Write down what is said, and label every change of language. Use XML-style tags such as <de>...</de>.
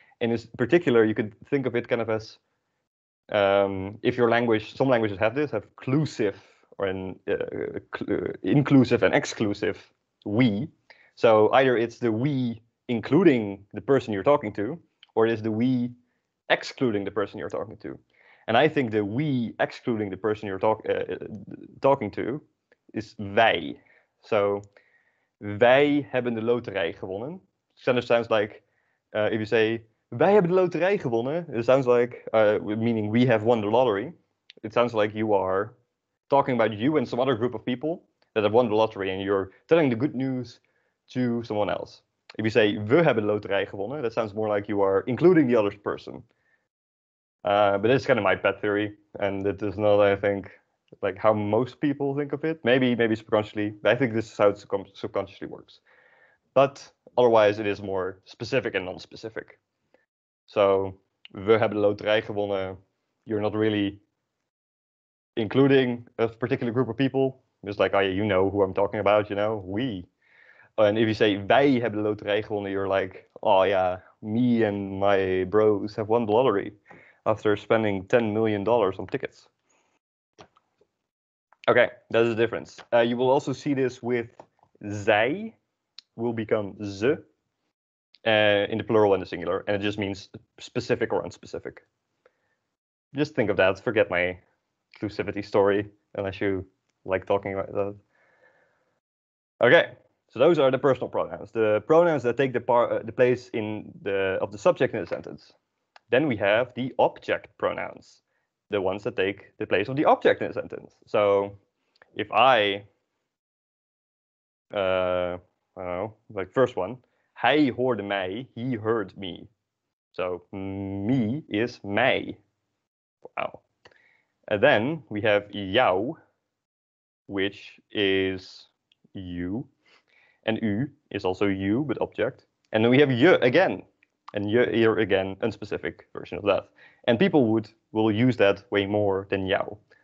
<en>And in particular, you could think of it kind of as if your language, some languages have this, have clusive or an inclusive and exclusive we. So either it's the we including the person you're talking to, or it's the we excluding the person you're talking to. And I think the we excluding the person you're talking to is wij.</en> <nl>So wij hebben de loterij gewonnen.</nl> <en>It sounds like if you say,</en> <nl>wij hebben de loterij gewonnen,</nl> <en>it sounds like, meaning we have won the lottery. It sounds like you are talking about you and some other group of people that have won the lottery and you're telling the good news to someone else. If you say,</en> <nl>we hebben de loterij gewonnen,</nl> <en>that sounds more like you are including the other person. But it's kind of my pet theory. And it is not, I think, like how most people think of it. Maybe subconsciously. But I think this is how it subconsciously works. But otherwise, it is more specific and non-specific.</en> <nl>So, we hebben de loterij gewonnen.</nl> <en>You're not really including a particular group of people. It's like, oh, yeah, you know who I'm talking about, you know, we. And if you say,</en> <nl>wij hebben de loterij gewonnen,</nl> <en>you're like, oh yeah, me and my bros have won the lottery after spending $10 million on tickets. Okay, that's the difference. You will also see this with zij will become ze. In the plural and the singular, and it just means specific or unspecific. Just think of that. Forget my inclusivity story, unless you like talking about that. Okay, so those are the personal pronouns, the pronouns that take the place in of the subject in the sentence. Then we have the object pronouns, the ones that take the place of the object in the sentence. So, if I don't know, like first one.</en> <nl>Hij hoorde mij,</nl> <en>he heard me. So, me is mij. Wow. And then we have jou, which is you. And u is also you, but object. And then we have je again. And je here again, unspecific version of that. And people will use that way more than jou.</en>